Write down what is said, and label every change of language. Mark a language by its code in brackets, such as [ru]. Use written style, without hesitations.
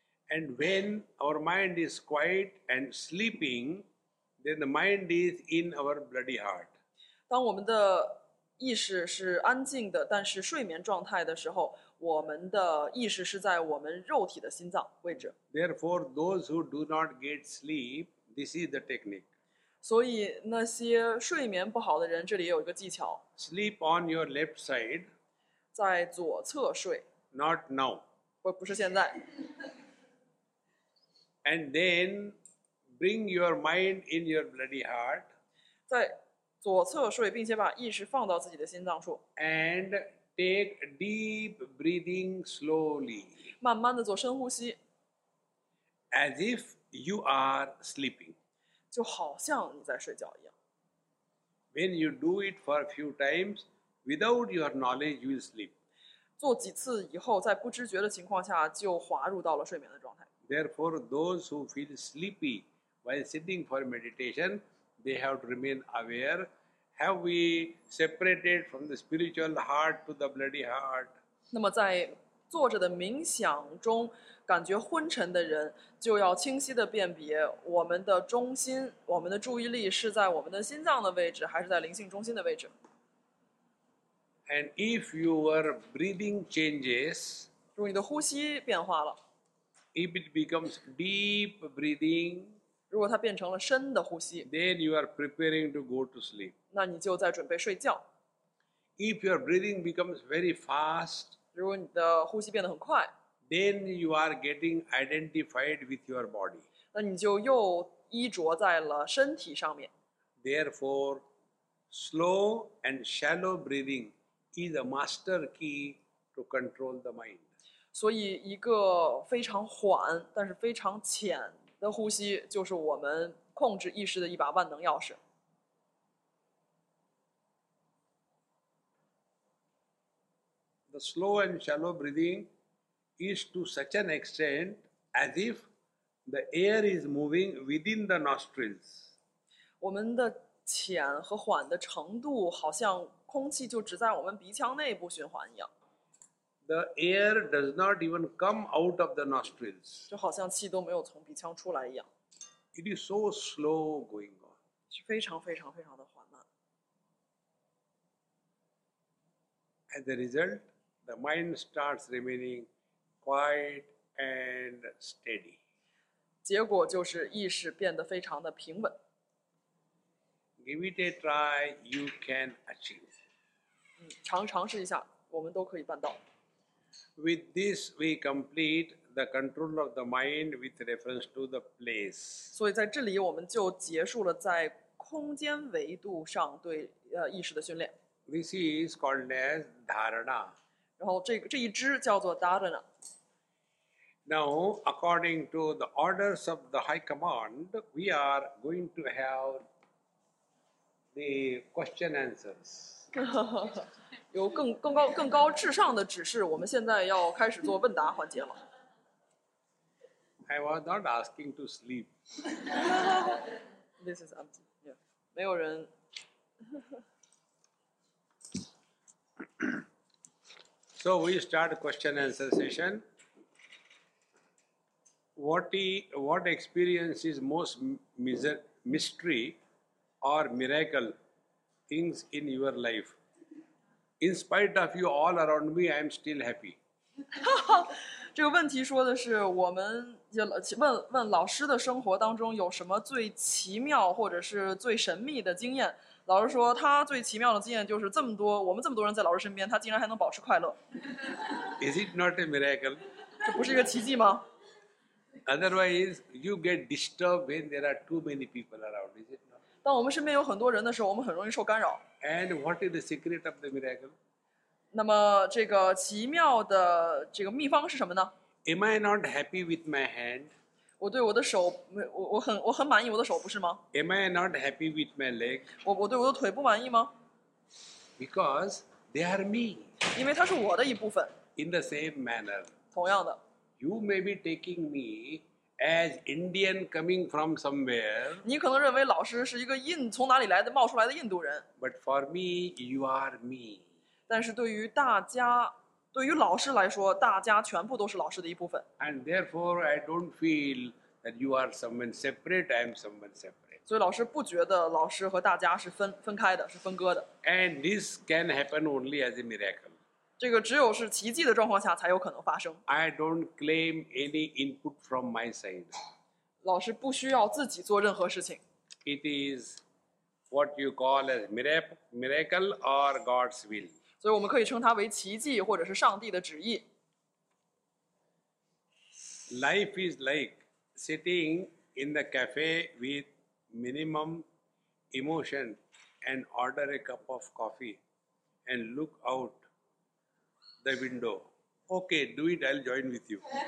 [en] And when our mind is quiet and sleeping, then the mind is in our bloody heart. [zh] 当我们的意识是安静的但是睡眠状态的时候，我们的意识是在我们肉体的心脏位置。 [en] Therefore, those who do not get sleep, this is the technique. [zh] 所以那些睡眠不好的人，这里也有一个技巧。 [en] Sleep on your left side. [zh] 在左侧睡。 [en] Not now. [zh] 不是现在。 [en] And then bring your mind in your bloody heart. [zh] 在左侧睡，并且把意识放到自己的心脏处。 [en] And take deep breathing slowly. [zh] 慢慢地做深呼吸。 [en] As if you are sleeping. [zh] 就好像你在睡觉一样。 [en] When you do it for a few times, without your knowledge, you will sleep. [zh] 做几次以后，在不知觉的情况下，就滑入到了睡眠的状态。 [en] Therefore, those who feel sleepy while sitting for meditation, they have to remain aware. Have we separated from the spiritual heart to the bloody heart? [zh] 那么在坐着的冥想中感觉昏沉的人就要清晰地辨别我们的中心，我们的注意力是在我们的心脏的位置还是在灵性中心的位置。 [en] And if your breathing changes, [zh] 如果你的呼吸变化了， [en] if it becomes deep breathing, [zh] 如果它变成了深的呼吸， [en] then you are preparing to go to sleep. [zh] 那你就在准备睡觉。 [en] If your breathing becomes very fast, [zh] 如果你的呼吸变得很快， [en] then you are getting identified with your body. [zh] 那你就又依着在了身体上面。 [en] Therefore, slow and shallow breathing is a master key to control the mind. [zh] 所以一个非常缓但是非常浅的呼吸就是我们控制意识的一把万能钥匙。 [en] The slow and shallow breathing is to such an extent as if the air is moving within the nostrils. [zh] 我们的浅和缓的程度好像空气就只在我们鼻腔内部循环一样。 [en] The air does not even come out of the nostrils. [zh] 就好像气都没有从鼻腔出来一样。 [en] It is so slow going on. [zh] 是非常非常非常的缓慢。 [en] As a result, the mind starts remaining quiet and steady. [zh] 结果就是意识变得非常的平稳。 [en] Give it a try, you can achieve. [zh] 尝试一下，我们都可以办到。 [en] With this, we complete the control of the mind with reference to the place. [zh] 所以在这里我们就结束了在空间维度上对意识的训练。 [en] This is called as Dharana. [zh] 然后这一支叫做 Dharana. [en] Now, according to the orders of the High Command, we are going to have the question answers. [zh] 有更高至上的指示，我们现在要开始做问答环节了。 [en] I was not asking to sleep. This is empty. Yeah. [zh] 没有人。 [en] So we start question and answer session. What experience is most mystery or miracle things in your life? In spite of you all around me, I am still happy. [zh] 这个问题说的是我们问老师的生活当中有什么最奇妙或者是最神秘的经验。老师说他最奇妙的经验就是这么多我们这么多人在老师身边，他竟然还能保持快乐。 [en] Is it not a miracle? [zh] 这不是一个奇迹吗？ [en] Otherwise, you get disturbed when there are too many people around, is it not? [zh] 当我们身边有很多人的时候，我们很容易受干扰。 [en] And what is the secret of the miracle? [zh] 那么这个奇妙的这个秘方是什么呢？ [en] Am I not happy with my hand? [zh] 我对我的手，我很满意我的手，不是吗？ [en] Am I not happy with my leg? [zh] 我对我的腿不满意吗？ [en] Because they are me. [zh] 因为它是我的一部分。 [en] In the same manner. [zh] 同样的。 [en] You may be taking me as Indian coming from somewhere. [zh] 你可能认为老师是一个从哪里来的冒出来的印度人。 [en] But for me, you are me. [zh] 但是对于大家。对于老师来说，大家全部都是老师的一部分。 [en] And therefore, I don't feel that you are someone separate. I am someone separate. [zh] 所以老师不觉得老师和大家是分开的，是分割的。 [en] And this can happen only as a miracle. [zh] 这个只有是奇迹的状况下才有可能发生。 [en] I don't claim any input from my side. [zh] 老师不需要自己做任何事情。 [en] It is what you call a miracle or God's will. [zh] 所以我们可以称它为奇迹或者是上帝的旨意。 [en] Life is like sitting in the cafe with minimum emotion and order a cup of coffee and look out the window. Okay, do it, I'll join with you.